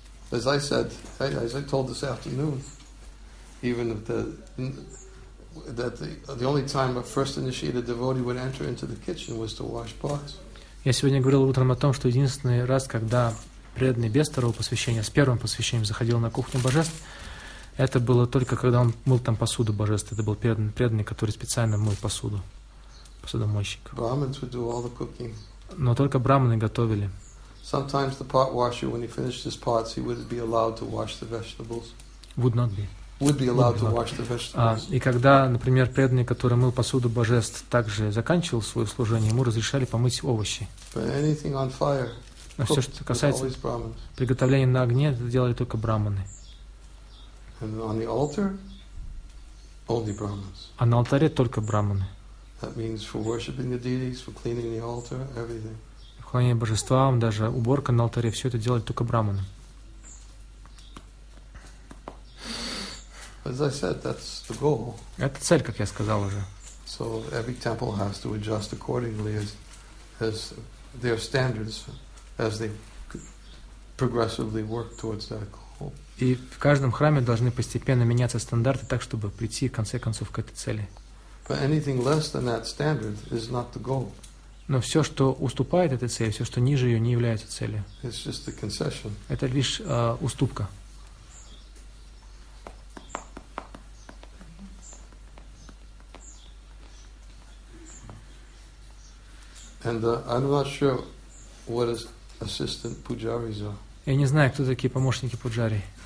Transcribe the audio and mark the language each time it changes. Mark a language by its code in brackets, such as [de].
[en] As I said, as I told this afternoon. Even if the only time a first initiated devotee would enter into the kitchen was to wash pots. [ru] Я сегодня говорил утром о том, что единственный раз, когда преданный без второго посвящения с первым посвящением заходил на кухню божеств, это было только когда он мыл там посуду божеств. Это был преданный, который специально мыл посуду, посудомойщик. [en] Brahmins would do all the cooking. [ru] Но только брахманы готовили. [en] Sometimes the pot washer, when he finished his pots, he would be allowed to wash the vegetables. Would not be. Would be allowed to wash the vegetables. [ru] И когда, например, преданный, который мыл посуду божеств, также заканчивал свое служение, ему разрешали помыть овощи. [en] But anything on fire. [ru] Но все, что касается приготовления на огне, это делали только браманы. [en] And on the altar, only brahmins. [ru] А на алтаре только браманы. [en] That means for worshiping the deities, for cleaning the altar, everything. [ru] Поклонение божествам, даже уборка на алтаре, все это делали только браманы. [en] As I said, that's the goal. [ru] Это цель, как я сказал уже. [en] So every temple has to adjust accordingly as their standards, as they progressively work towards that goal. [ru] И в каждом храме должны постепенно меняться стандарты так, чтобы прийти в конце концов к этой цели. [en] But anything less than that standard is not the goal. [ru] Но все, что уступает этой цели, все, что ниже ее, не является целью. Это лишь уступка. [en] And, I'm not sure what is assistant pujaris are. [ru] Я не знаю, кто такие помощники пуджари.